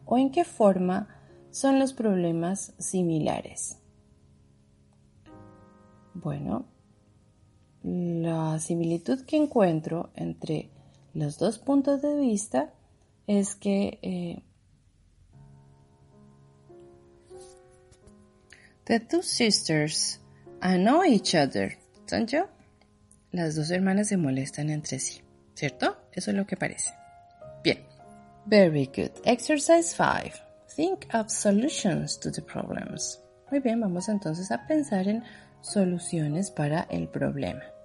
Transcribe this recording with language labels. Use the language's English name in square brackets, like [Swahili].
[Spanish] ¿O en qué forma son los problemas similares? Bueno, la similitud que encuentro entre los dos puntos de vista es que [English] the two sisters annoy each other, don't you? [Spanish] Las dos hermanas se molestan entre sí, ¿cierto? Eso es lo que parece. Bien. [English] Very good. Exercise 5. Think of solutions to the problems. [Spanish] Muy bien, vamos entonces a pensar en soluciones para el problema.